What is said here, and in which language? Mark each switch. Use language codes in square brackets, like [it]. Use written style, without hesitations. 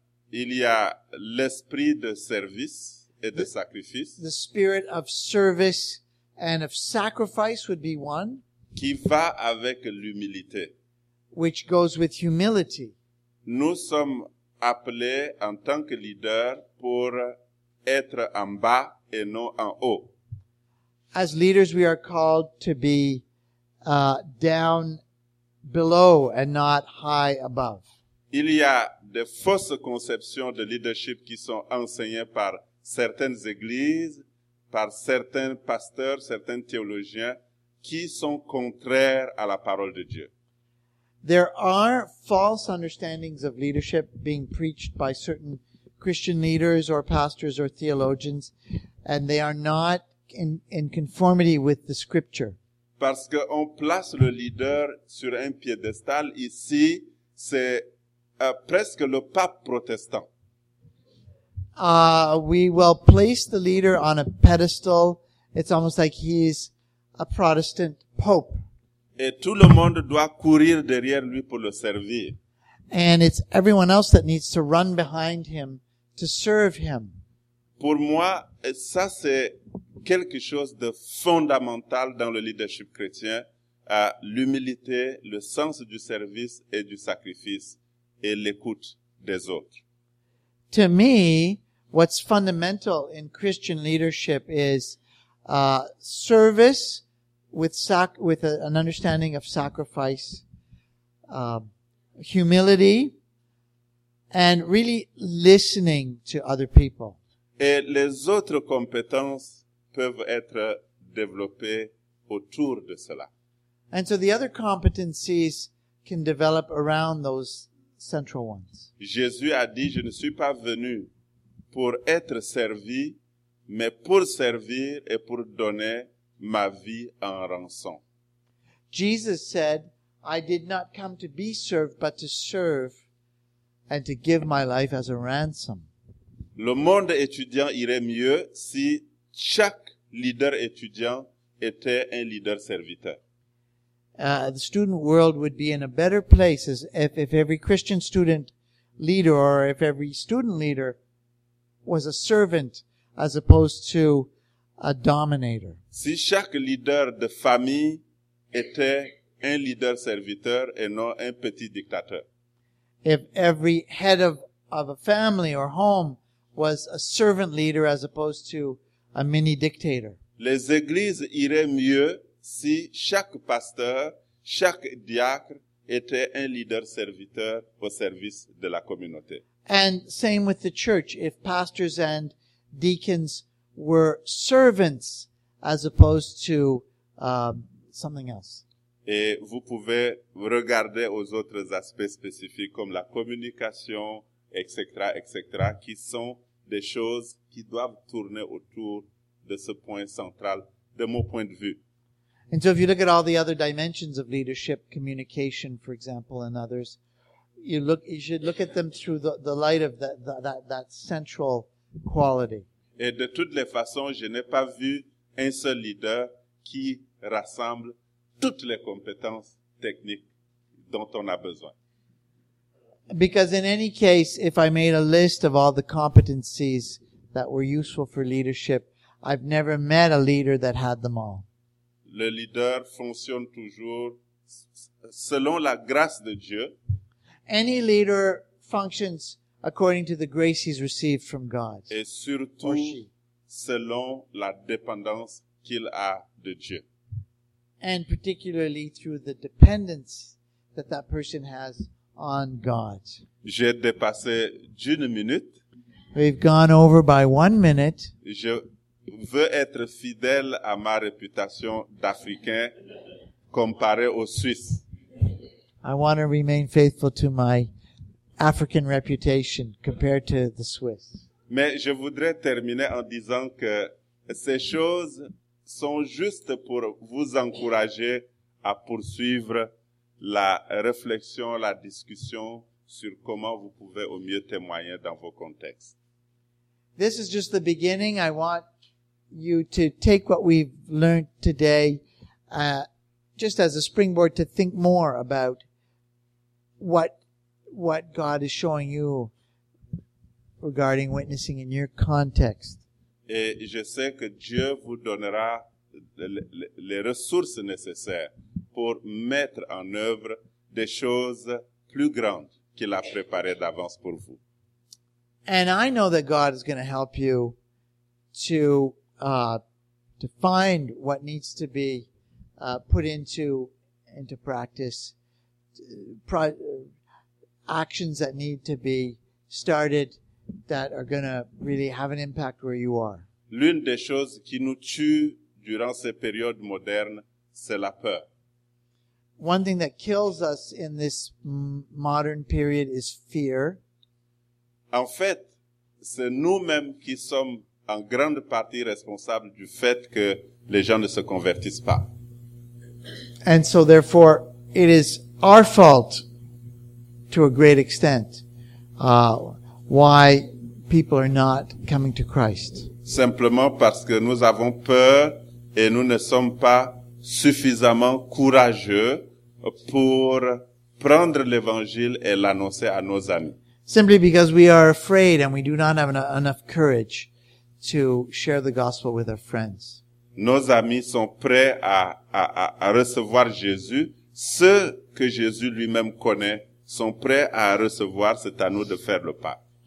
[fr] Il y a l'esprit de service et de sacrifice. [en] The spirit of service and of sacrifice would be one. [fr] Qui va avec l'humilité. [en] Which goes with humility. [fr] Nous sommes appelés en tant que leader pour être en bas et non en haut. [en] As leaders, we are called to be down below and not high above. [fr] Il y a de fausses conceptions de leadership qui sont enseignées par certaines églises, par certains pasteurs, certains théologiens qui sont contraires à la parole de Dieu. [en] There are false understandings of leadership being preached by certain Christian leaders or pastors or theologians, and they are not in conformity with the scripture. [fr] Parce que on place le leader sur un piédestal ici, c'est presque le pape protestant. [en] We will place the leader on a pedestal. It's almost like he's a Protestant pope. [fr] Et tout le monde doit courir derrière lui pour le servir. [en] And it's everyone else that needs to run behind him to serve him. [fr] Pour moi, ça c'est quelque chose de fondamental dans le leadership chrétien, l'humilité, le sens du service et du sacrifice et l'écoute des autres. [en] To me, what's fundamental in Christian leadership is service with an understanding of sacrifice, humility, and really listening to other people. [fr] Et les autres compétences peuvent être développées autour de cela. [en] And so the other competencies can develop around those central ones. [fr] Jésus a dit, je ne suis pas venu pour être servi, mais pour servir et pour donner ma vie en rançon. [en] Jesus said, I did not come to be served, but to serve and to give my life as a ransom. [fr] Le monde étudiant irait mieux si chaque leader étudiant était un leader serviteur. [en] The student world would be in a better place if every Christian student leader or if every student leader was a servant as opposed to a dominator. [fr] Si chaque leader de famille était un leader serviteur et non un petit dictateur. [en] If every head of a family or home was a servant leader as opposed to a mini dictator. [fr] Les églises iraient mieux si chaque pasteur, chaque diacre était un leader serviteur au service de la communauté. [en] And same with the church, if pastors and deacons were servants as opposed to something else. [fr] Et vous pouvez regarder aux autres aspects spécifiques comme la communication, etc., etc., qui sont des choses qui doivent tourner autour de ce point central, de mon point de vue. [en] And so if you look at all the other dimensions of leadership, communication, for example, and others, you should look at them through the light of that central quality. [fr] Et de toutes les façons, je n'ai pas vu un seul leader qui rassemble toutes les compétences techniques dont on a besoin. [en] Because in any case, if I made a list of all the competencies that were useful for leadership, I've never met a leader that had them all. [fr] Le leader fonctionne toujours selon la grâce de Dieu. [en] Any leader functions according to the grace he's received from God. [fr] Et surtout selon la dépendance qu'il a de Dieu. [en] And particularly through the dependence that person has on God. [fr] J'ai dépassé d'une minute. [en] We've gone over by 1 minute. [fr] Je veux être fidèle à ma réputation d'Africain comparé aux Suisses. [en] I want to remain faithful to my African reputation compared to the Swiss. [fr] Mais je voudrais terminer en disant que ces choses sont juste pour vous encourager à poursuivre la réflexion, la discussion sur comment vous pouvez au mieux témoigner dans vos contextes. [en] This is just the beginning. I want you to take what we've learned today just as a springboard to think more about what God is showing you regarding witnessing in your context. [fr] Et je sais que Dieu vous donnera les ressources nécessaires pour mettre en œuvre des choses plus grandes qu'il a préparées d'avance pour vous. [en] And I know that God is going to help you to find what needs to be put into practice, actions that need to be started that are going to really have an impact where you are. [fr] L'une des choses qui nous tue durant ces périodes modernes, c'est la peur. [en] One thing that kills us in this modern period is fear. [fr] En fait, c'est nous-mêmes qui sommes en grande partie responsables du fait que les gens ne se convertissent pas. [en] And so therefore, it is our fault to a great extent why people are not coming to Christ. [fr] Simplement parce que nous avons peur et nous ne sommes pas suffisamment courageux pour prendre l'évangile et l'annoncer à nos amis. [en] Simply because we are afraid and we do not have enough courage to share the gospel with our friends. [fr] Nos amis sont prêts à recevoir Jésus. Ceux que Jésus lui-même connaît sont prêts à recevoir, c'est à nous de faire le pas.